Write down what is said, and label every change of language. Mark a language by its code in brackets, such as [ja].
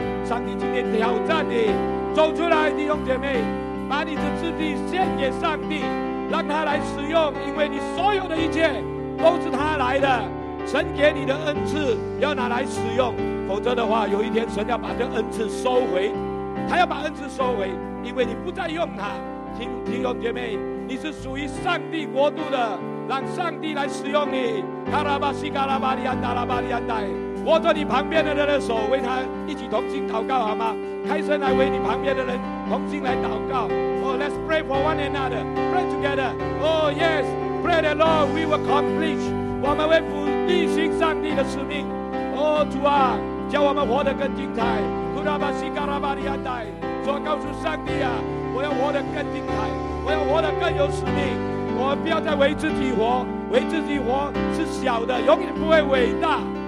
[zh] 上帝今天挑战你，走出来，弟兄姐妹，把你的自己献给上帝，让他来使用，因为你所有的一切都是他来的，神给你的恩赐要拿来使用，否则的话，有一天神要把这恩赐收回，他要把恩赐收回，因为你不再用它。弟兄姐妹，你是属于上帝国度的，让上帝来使用你。卡拉巴西卡拉巴利安达拉巴利安代，握着你旁边的人的手，为他一起同心祷告好吗？开声来为你旁边的人同心来祷告。 [en] Oh, let's pray for one another. Pray together. Oh, yes. Pray the Lord, we will accomplish. [zh] 我们会履行上帝的使命。 [en] Oh, [zh] 主啊，叫我们活得更精彩。库拉巴西卡拉巴利安代，主啊，告诉上帝啊，我要活得更精彩，我要活得更有使命。我们不要再为自己活，为自己活是小的，永远不会伟大。